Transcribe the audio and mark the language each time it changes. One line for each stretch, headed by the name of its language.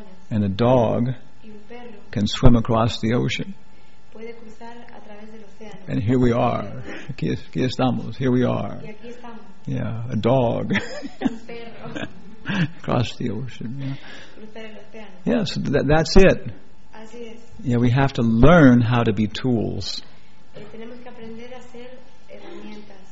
English: And a dog can swim across the ocean.
Spanish: Puede cruzar a través del océano.
English: And here we are.
Spanish: Aquí estamos.
English: Here we are.
Spanish: Y aquí estamos.
English: Yeah, a dog.
Spanish: Un perro.
English: Across the ocean. Yeah.
Spanish: Cruzar el océano.
English: Yeah, so that's it.
Spanish: Así es.
English: Yeah, we have to learn how to be tools.
Spanish: Tenemos que aprender a hacer herramientas.